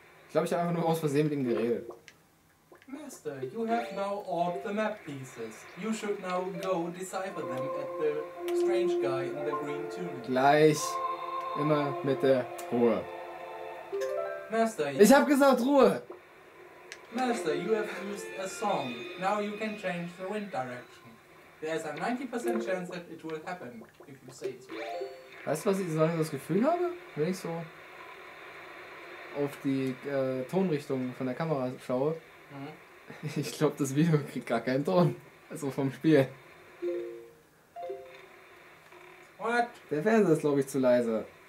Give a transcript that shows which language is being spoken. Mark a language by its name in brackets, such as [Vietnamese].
[German] Ich glaube, ich habe einfach nur aus Versehen mit ihm geredet. [English] Master, you have now all the map pieces. You should now go decipher them at the strange guy in the green tunic. [German] Gleich. Immer mit der Ruhe. [English] Master, [German] ich hab gesagt Ruhe! [English] Master, you have used a song. Now you can change the wind direction. There's a 90% chance that it will happen, if you say it. [German] Weißt du, was ich so lange das Gefühl habe? Wenn ich so auf die Tonrichtung von der Kamera schaue. Mhm. Ich glaube, das Video kriegt gar keinen Ton. Also vom Spiel. [English] What? [German] Der Fernseher ist, glaube ich, zu leise.